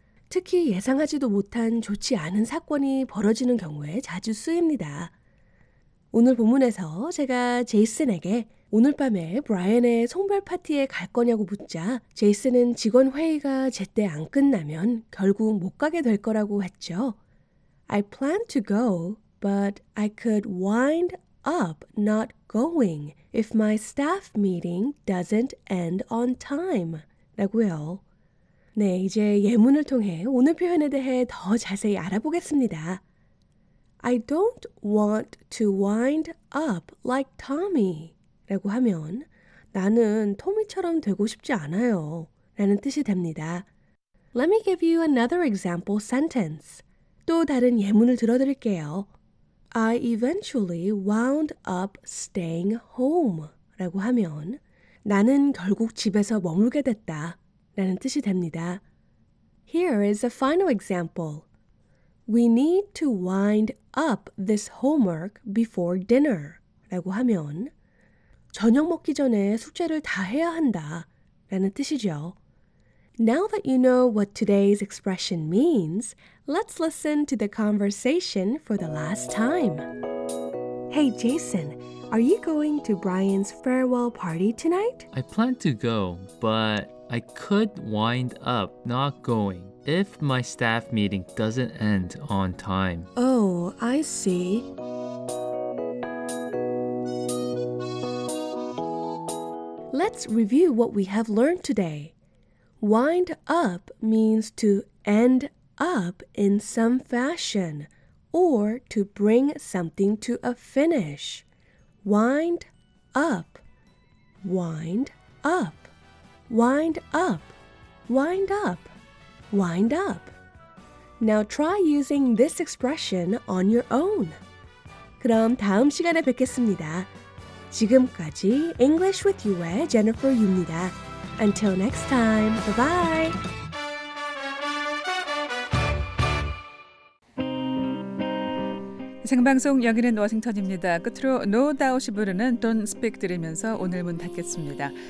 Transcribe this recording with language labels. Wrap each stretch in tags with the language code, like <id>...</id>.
<ko>특히 예상하지도 못한 좋지 않은 사건이 벌어지는 경우에 자주 쓰입니다. 오늘 본문에서 제가 제이슨에게 오늘 밤에 브라이언의 송별 파티에 갈 거냐고 묻자 제이슨은 직원 회의가 제때 안 끝나면 결국 못 가게 될 거라고 했죠.</ko> <en>I plan to go, but I could wind up not going if my staff meeting doesn't end on time.</en> <ko>라고요. 네, 이제 예문을 통해 오늘 표현에 대해 더 자세히 알아보겠습니다.</ko> <en>I don't want to wind up like Tommy.</en> <ko>라고 하면 나는 토미처럼 되고 싶지 않아요. 라는 뜻이 됩니다.</ko> <en>Let me give you another example sentence.</en> <ko>또 다른 예문을 들어드릴게요.</ko> <en>I eventually wound up staying home.</en> <ko>라고 하면 나는 결국 집에서 머물게 됐다. 라는 뜻이 됩니다.</ko> <en>Here is a final example. We need to wind up this homework before dinner.</en> <ko>라고 하면 저녁 먹기 전에 숙제를 다 해야 한다. 라는 뜻이죠.</ko> <en>Now that you know what today's expression means, let's listen to the conversation for the last time. Hey, Jason, are you going to Brian's farewell party tonight? I plan to go, but I could wind up not going if my staff meeting doesn't end on time. Oh, I see. Let's review what we have learned today. Wind up means to end up in some fashion or to bring something to a finish. Wind up. Wind up. Wind up. Wind up. Wind up. Now try using this expression on your own.</en> <ko>그럼 다음 시간에 뵙겠습니다. 지금까지 English with You의 Jennifer Yu입니다.</ko> <en>Until next time, bye-bye!</en> <ko>Sing방송 여기는 워싱턴입니다. 끝으로 No Doubt이 부르는 Don't Speak 들으면서 오늘 문 닫겠습니다.</ko>